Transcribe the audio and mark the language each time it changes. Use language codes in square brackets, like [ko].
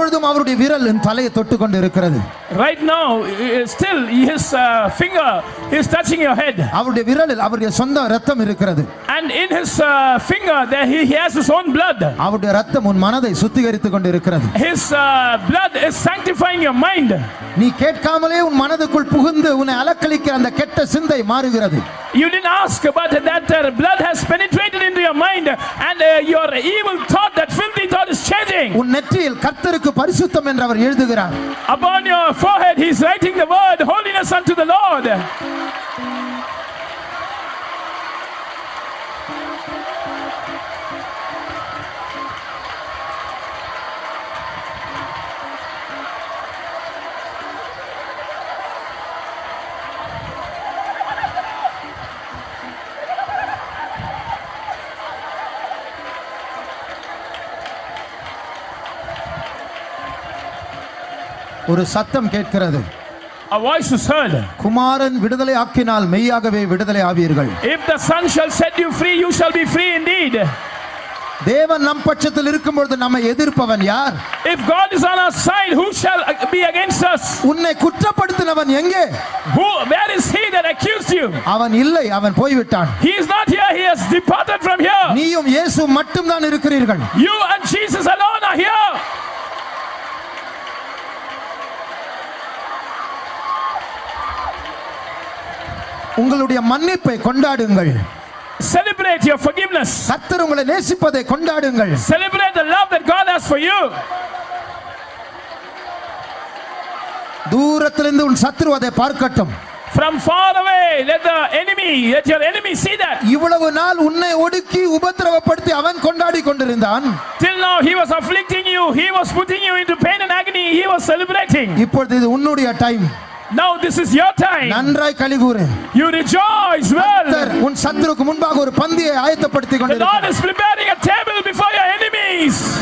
[ta] அவருடைய விரல் என் தலையை தொட்டு கொண்டிருக்கிறது. [en] Right now still his finger is touching your head. [ta] அவருடைய விரலில் அவருடைய சொந்த இரத்தம் இருக்கிறது. [en] And in his finger there he has his own blood. [ta] அவருடைய இரத்தம் உன் மனதை சுத்திகரித்துக் கொண்டிருக்கிறது. [en] His blood is sanctifying your mind. [ta] நீ கேட்காமலே உன் மனதுக்குள் புகுந்து உன்னை அலக்கழிக்கிற அந்த கெட்ட சிந்தை மாறுகிறது. [en] You didn't ask, but that blood has penetrated into your mind and your evil thought, that filthy thought is changing. [ta] உன் நெற்றியில் கர்த்தருக்கு பரிசுத்தம் என்று அவர் எழுதுகிறார். [en] Upon your forehead he is writing the word holiness unto the Lord. [ta] ஒரு சத்தம் கேட்கிறது. [en] A voice is heard. [ta] குமாரன் விடுதலை ஆக்கினால் மெய்யாகவே விடுதலை ஆவீர்கள். [en] If the Son shall set you free, you shall be free indeed. [ta] தேவன் நம் பட்சத்தில் இருக்கும் பொழுது நம்மை எதிர்ப்பவன் யார்? [en] If God is on our side, who shall be against us? [ta] உன்னை குற்றப்படுத்தினவன் எங்கே? [en] Where is he that accused you? [ta] அவன் இல்லை, அவன் போய்விட்டான். [en] He is not here, he has departed from here. [ta] நீயும் இயேசு மட்டும் தான் இருக்கிறீர்கள். [en] You and Jesus alone are here. [ta] உங்களுடைய மன்னிப்பை கொண்டாடுங்கள். [en] Celebrate your forgiveness. [ta] கர்த்தர் உங்களை நேசிப்பதை கொண்டாடுங்கள். [en] Celebrate the love that God has for you. [ta] தூரத்திலிருந்து உன் சத்துரு அதை பார்க்கட்டும். [en] From far away, let your enemy see that. [ta] இவ்வளவு நாள் உன்னை ஒடுக்கி உபத்திரவப்படுத்தி அவன் கொண்டாடி கொண்டிருந்தான். [en] Till now he was afflicting you, he was putting you into pain and agony, he was celebrating. [ta] இப்பொழுது இது உன்னுடைய time. [en] Now this is your time. [ta] நன்றாய் களி கூறு. [en] You rejoice well. [ta] உன் சத்துருக்கு முன்பாக ஒரு பந்தியை ஆயத்தப்படுத்திக் கொண்டிருக்கிறது. [en] The Lord is preparing a table before your enemies.